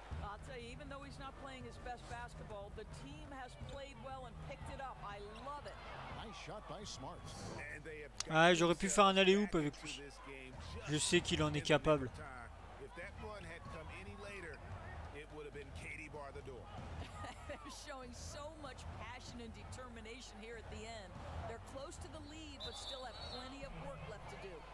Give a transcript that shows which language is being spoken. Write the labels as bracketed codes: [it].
[en] I'll tell you, even though he's not playing his best basketball, the team has played well and picked it up. I love it. Nice shot by Smart. [fr] Ah, j'aurais pu faire un alley-oop avec lui. Je sais qu'il en est capable. [en] If that run had come any later, it would have been KD bar the door. Showing so much passion and determination here at the end. They're close to the lead, but still have plenty of work left to do.